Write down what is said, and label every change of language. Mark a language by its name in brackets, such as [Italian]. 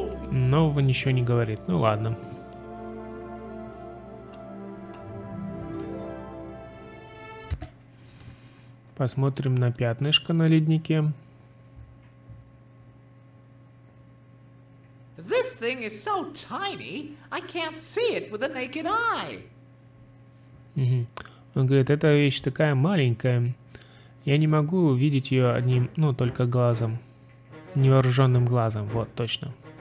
[Russian] Нового ничего не говорит. Ну ладно. Посмотрим на пятнышко на леднике. [English] This thing is so tiny, I can't see it with a naked eye. [Russian] Он говорит, эта вещь такая маленькая, я не могу увидеть ее одним, ну, только глазом, невооруженным глазом, вот, точно.